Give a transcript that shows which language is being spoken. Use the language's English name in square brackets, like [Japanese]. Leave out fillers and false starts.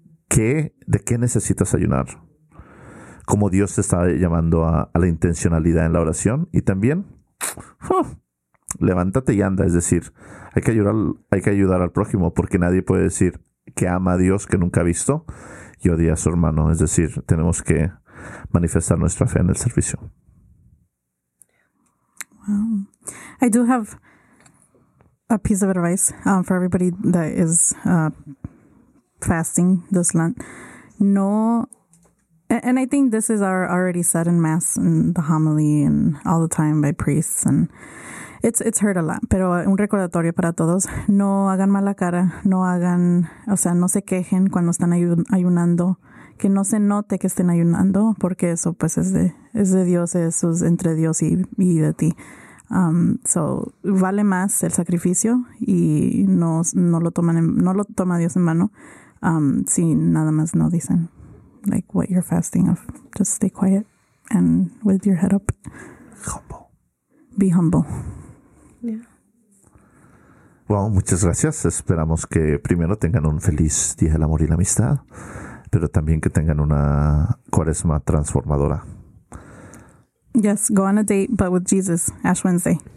[Spanish] ¿De qué necesitas ayunar? ¿Cómo Dios te está llamando a la intencionalidad en la oración? Y también, levántate y anda. Es decir, hay que ayudar al prójimo, porque nadie puede decir que ama a Dios que nunca ha visto y odia a su hermano. Es decir, tenemos que manifestar nuestra fe en el servicio. [English] Wow. I do have a piece of advice for everybody that is fasting this Lent. No, and I think this is already said in Mass and the homily and all the time by priests, and It's hurt a lot, [Spanish] pero un recordatorio para todos, no hagan mala cara, no se quejen cuando están ayunando, que no se note que estén ayunando, porque eso pues es de Dios, eso es entre Dios y de ti. So vale más el sacrificio y no lo toma Dios en vano, si nada más no dicen, like [English] what you're fasting of, just stay quiet and with your head up. Humble. Be humble. [Spanish] Yeah. Bueno, muchas gracias. Esperamos que primero tengan un feliz Día del Amor y la Amistad, pero también que tengan una Cuaresma transformadora. [English] Yes, go on a date, but with Jesus, Ash Wednesday.